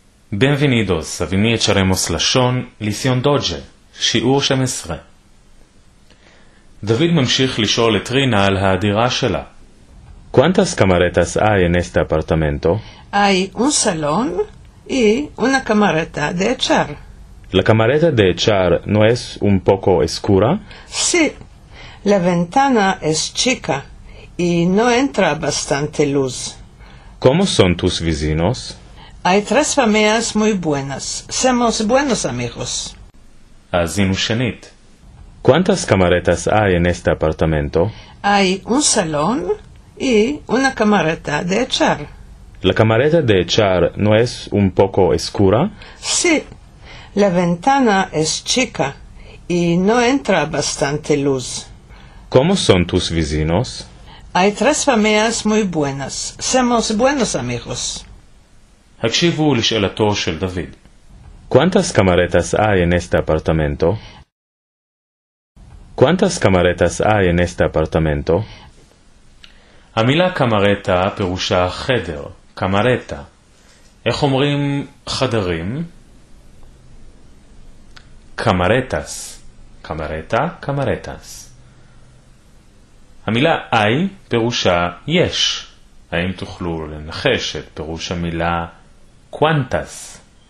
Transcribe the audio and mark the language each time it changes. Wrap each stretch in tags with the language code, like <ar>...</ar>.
<lad>Bienvenidos a Vinir Charemos Lashon, Lision Doge,</lad> <he>שיעור 12. דוד ממשיך לשאול את רינה על הדירה שלה.</he> <lad>¿Cuántas camaretas hay en este apartamento? Hay un salón y una camareta de echar. ¿La camareta de echar no es un poco oscura? Sí, la ventana es chica y no entra bastante luz. ¿Cómo son tus vecinos? Hay tres familias muy buenas. Somos buenos amigos. Azinushanit. ¿Cuántas camaretas hay en este apartamento? Hay un salón y una camareta de echar. ¿La camareta de echar no es un poco oscura? Sí. La ventana es chica y no entra bastante luz. ¿Cómo son tus vecinos? Hay tres familias muy buenas. Somos buenos amigos.</lad> <he>הקשיבו לשאלתו של דוד.</he> <lad>¿Cuántas camaretas hay en este apartamento? ¿Cuántas camaretas hay en este apartamento?</lad> <he>המילה קמרטה פירושה חדר, קמרטה. איך אומרים חדרים? קמרטס, קמרטה, קמרטס. המילה אי פירושה יש. האם תוכלו לנחש את פירוש המילה קוונטס?</he>